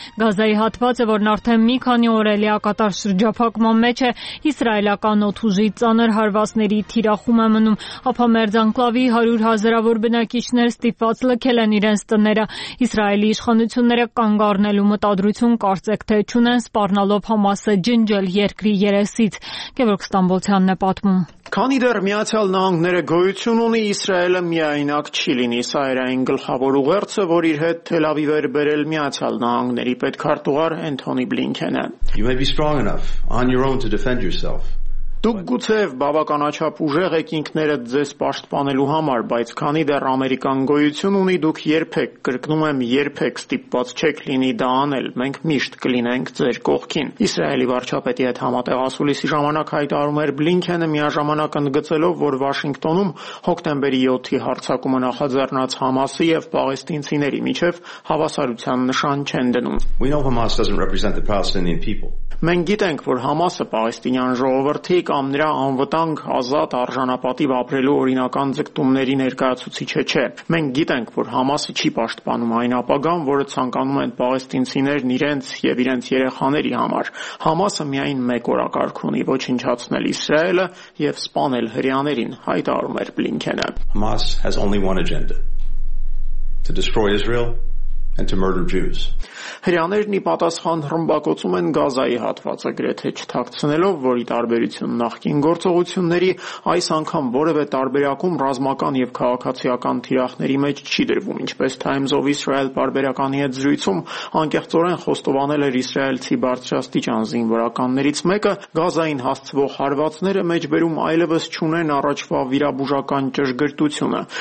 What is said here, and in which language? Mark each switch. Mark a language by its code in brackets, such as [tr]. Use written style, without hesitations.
[hy] Գազայի հատվածը, որն արդեն մի քանի օր է լիակատար շրջափակման մեջ է, իսրայելական օդուժի ծանր հարվածների թիրախում է մնում, ապա մերձ անկլավի 100 հազարավոր բնակիչներ ստիպված լքել են իրենց տները։ Իսրայելի իշխանությունները կանգ առնելու մտադրություն կարծեք թե չունեն, սպառնալով Համասը ջնջել երկրի երեսից, Գևորգ Ստամբոլցյանն է պատմում։ Քանի դեռ Միացյալ Նահանգները գոյություն ունի, Իսրայելը միայնակ չի լինի սահերային գլխավոր ուղերձը, որ իր հետ Թել Ավիվ էր բերել Միացյալ Նահանգների պետքարտուղար Էնթոնի Բլինքենը։ [en] You may be strong enough on your own to defend yourself. [hy] Դուք գուցե բավականաչափ ուժեղ եք ինքներդ ձեզ պաշտպանելու համար, բայց քանի դեռ ամերիկան գոյություն ունի, դուք երբեք, կրկնում եմ, երբեք ստիպված չեք լինի դա անել, մենք միշտ կլինենք ձեր կողքին։ Իսրայելի վարչապետի այդ համատեղասուլիսի ժամանակ հայտարարում էր Բլինքենը, միաժամանակ ընդգծելով, որ Վաշինգտոնում հոկտեմբերի 7-ի հարձակումը նախաձեռնած Համասի և Պաղեստինցիների միջև հավասարության նշան չեն դնում։ [en] We know Hamas doesn't represent the Palestinian people. [hy] Մենք գիտենք, որ Համասը պաղեստինյան ժողովրդի կամ նրա անվտանգ, ազատ, արժանապատիվ ապրելու օրինական ձգտումների ներկայացուցիչը չէ։ Մենք գիտենք, որ Համասը չի պաշտպանում այն ապագան, որը ցանկանում են պաղեստինցիներն իրենց և իրենց երեխաների համար։ Համասը միայն մեկ օրակարգ ունի՝ ոչնչացնել Իսրայելը և սպանել հրեաներին, հայտարարում էր Բլինքենը։ [en] Hamas has only one agenda: to destroy Israel and to murder Jews. [hy] Հրեաներն ի պատասխան հռմբակոծում են Գազայի հատվածը, գրեթե չթաքցնելով, որի տարբերություն նախկին գործողությունների, այս անգամ որևէ տարբերակում ռազմական և քաղաքացիական թիրախների մեջ չի դրվում, ինչպես Times of Israel պարբերականի հետ զրույցում անկեղծորեն խոստովանել էր իսրայելցի բարձրաստիճան զինվորականներից մեկը, Գազային հասցվող հարվածները մեջբերում այլևս չունեն առաջվա վիրաբուժական ճշգրտությունը,